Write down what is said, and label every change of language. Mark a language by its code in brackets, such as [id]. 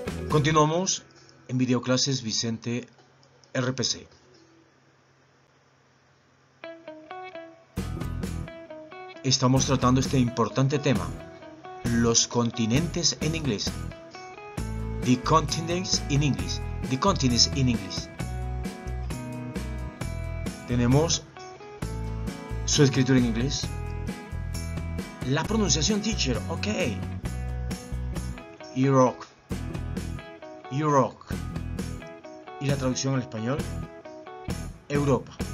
[es] Continuamos en videoclases Vicente RPC. Estamos tratando este importante tema, los continentes en inglés. [en] The continents in English. The continents in English. [es] Tenemos su escritura en inglés. La pronunciación, [en] teacher, ok. [es] Europe. Y la traducción al español, Europa.